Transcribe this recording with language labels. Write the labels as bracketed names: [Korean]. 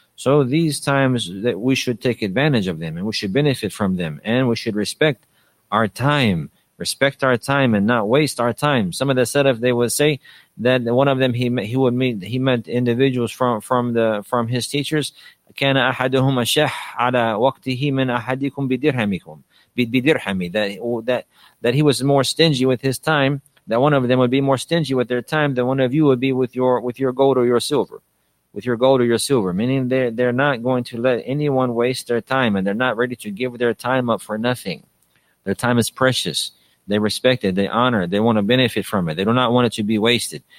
[English] So these times that we should take advantage of them, and we should benefit from them, and we should respect our time, and not waste our time. Some of the Salaf, they would say that one of them he met individuals from his teachers. [Arabic] كَانَ أَحَدُهُمْ أَشَحَّ عَلَى وَقْتِهِ مِنْ أَحَدِكُمْ بِدِرْهَمِكُمْ بِدِرْهَمِ, [English] that he was more stingy with his time. That one of them would be more stingy with their time than one of you would be with your gold or your silver. Meaning they're not going to let anyone waste their time, and they're not ready to give their time up for nothing. Their time is precious. They respect it. They honor it. They want to benefit from it. They do not want it to be wasted.